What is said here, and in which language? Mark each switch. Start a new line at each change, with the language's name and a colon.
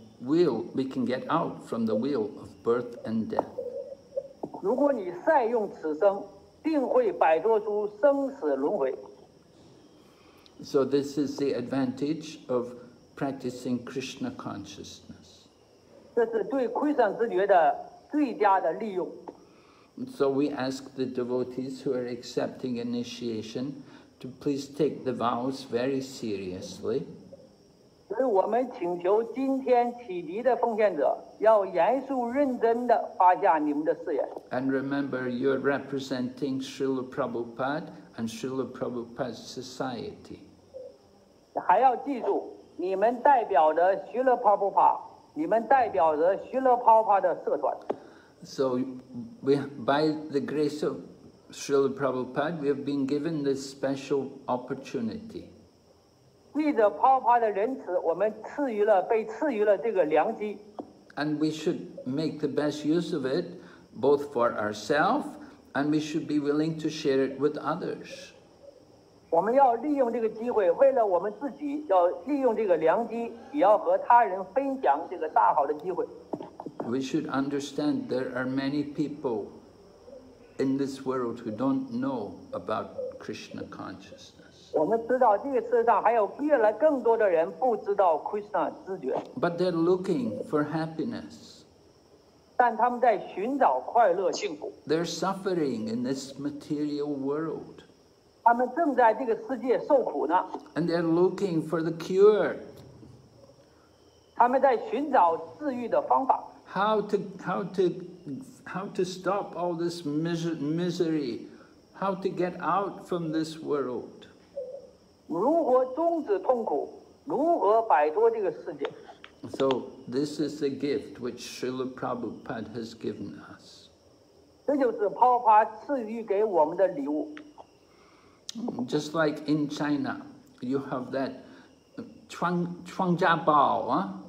English: wheel, we can get out from the wheel of birth and death.
Chinese: 如果你善用此生，定会摆脱出生死轮回。
English: So this is the advantage of practicing Krishna consciousness.
Chinese: 这是对亏损之觉的最佳的利用。
English: So we ask the devotees who are accepting initiation to please take the vows very seriously.
Chinese: 所以我们请求今天启迪的奉献者要严肃认真地发下你们的誓言。
English: And remember, you're representing Srila Prabhupada and Srila Prabhupada's society.
Chinese: 还要记住，你们代表着 Srila Prabhupada， 你们代表着 Srila Prabhupada 的社团。
English: So, we, by the grace of Srila Prabhupada, we have been given this special opportunity.
Chinese: 借着 Prabhupada 的仁慈，我们赐予了被赐予了这个良机。
English: And we should make the best use of it, both for ourselves, and we should be willing to share it with others.
Chinese: 我们要利用这个机会，为了我们自己，要利用这个良机，也要和他人分享这个大好的机会。
English: We should understand there are many people in this world who don't know about Krishna consciousness. But they're looking for happiness. They're suffering in this material world. And they're looking for the cure. They're looking for the cure. How to stop all this misery, how to get out from this world.
Chinese: 如何终止痛苦，如何摆脱这个世界。
English: So this is the gift which Srila Prabhupada has given us.
Chinese: 这就是 Prabhupada 赐予给我们的礼物。
English: Just like in China, you have that Chuangjiabao, huh?